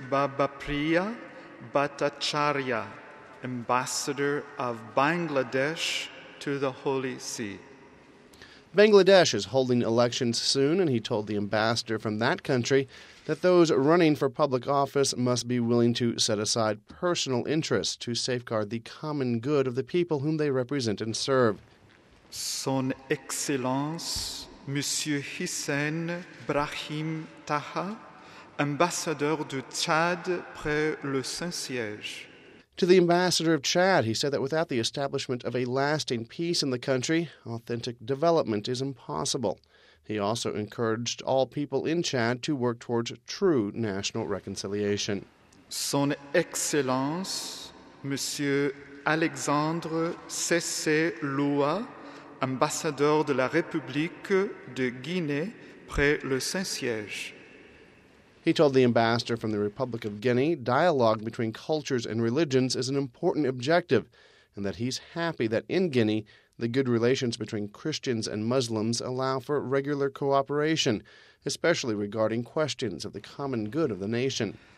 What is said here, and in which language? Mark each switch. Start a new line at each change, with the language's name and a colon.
English: Babapriya Bhattacharya, Ambassador of Bangladesh to the Holy See. Bangladesh is holding elections soon, and he told the ambassador from that country that those running for public office must be willing to set aside personal interests to safeguard the common good of the people whom they represent and serve.
French: Son Excellence Monsieur Hissène Brahim Taha, Ambassador du Tchad près le Saint-Siège.
English: To the ambassador of Chad, he said that without the establishment of a lasting peace in the country, authentic development is impossible. He also encouraged all people in Chad to work towards true national reconciliation.
French: Son Excellence, Monsieur Alexandre Sese Lua, Ambassador de la République de Guinée près le Saint-Siège.
English: He told the ambassador from the Republic of Guinea, dialogue between cultures and religions is an important objective, and that he's happy that in Guinea, the good relations between Christians and Muslims allow for regular cooperation, especially regarding questions of the common good of the nation.